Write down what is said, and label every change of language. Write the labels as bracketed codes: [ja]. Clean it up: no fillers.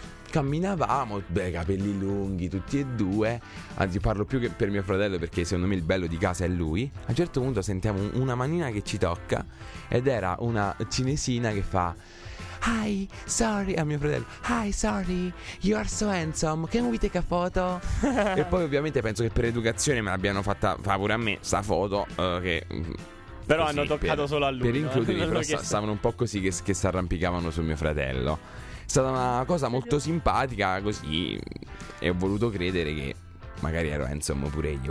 [it] Camminavamo, beh, capelli lunghi tutti e due. Anzi, parlo più che per mio fratello, perché secondo me il bello di casa è lui. A un certo punto sentiamo una manina che ci tocca, ed era una cinesina che fa: [en] Hi, sorry, [it] a mio fratello. [en] Hi, sorry, you are so handsome, can we take a photo? [it] E poi ovviamente penso che per educazione me l'abbiano fatta pure a me sta foto, che però così, hanno toccato solo a lui, per includere, però stavano un po' così che si arrampicavano su mio fratello. È stata una cosa molto simpatica, così, e ho voluto credere che magari ero handsome pure io.